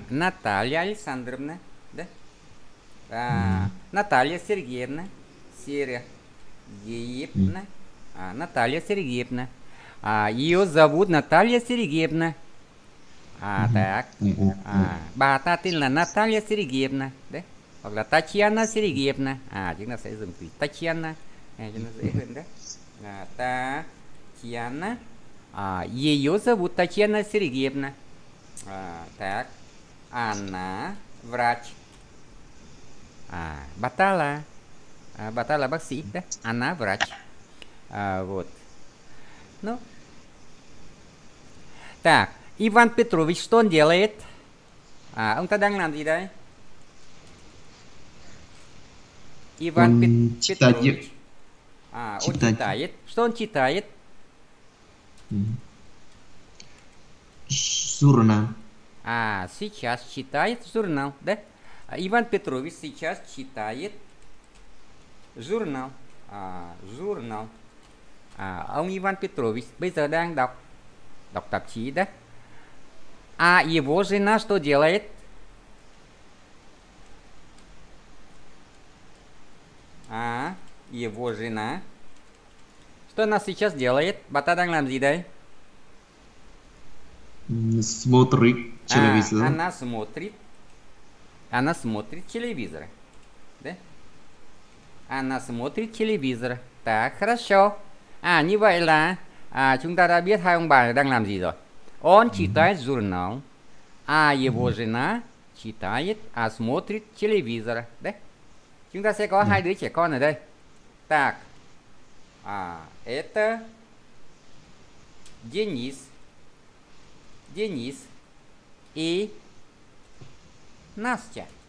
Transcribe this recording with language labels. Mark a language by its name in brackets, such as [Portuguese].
[Russian] Наталья Александровна, да? А, Наталья Сергеевна. Сергеевна. А, Наталья Сергеевна. А, её зовут Наталья Сергеевна. À, так. [Vietnamese] À, bà ta tên là Natalia Sergeyevna, đấy. Hoặc là Tatiana Sergeyevna. À, chúng ta sẽ dùng từ Tatiana cho nó dễ hơn đấy. À, Tatiana. [Russian] À, её зовут Татьяна Сергеевна. À, так. Она врач. [Vietnamese] À, bà ta là bác sĩ đấy. [Russian] Она врач. [Vietnamese] À, [Russian] вот. Ну. Так. Иван Петрович, что он делает? А, он тогда на где, да? Иван Петрович. Читает. А, он читает. Что он читает? Журнал. А, сейчас читает журнал, да? А, Иван Петрович сейчас читает журнал. А, журнал. А, он Иван Петрович, [Vietnamese] bây giờ đang đọc, đọc tạp chí, да? [Russian] А его жена что делает? А его жена что она сейчас делает? Бата дан нам зидай? Смотрит телевизор. А, она смотрит. Она смотрит телевизор. Да? Она смотрит телевизор. Так, хорошо. А, не вайла. [Vietnamese] А, chúng ta đã biết hai ông bà đang làm gì rồi. [Russian] Он читает журнал. А его жена читает, а смотрит телевизор. Да? [Vietnamese] Chúng ta sẽ có hai đứa trẻ con ở đây. [Russian] Так. А, это Денис. Денис и Настя.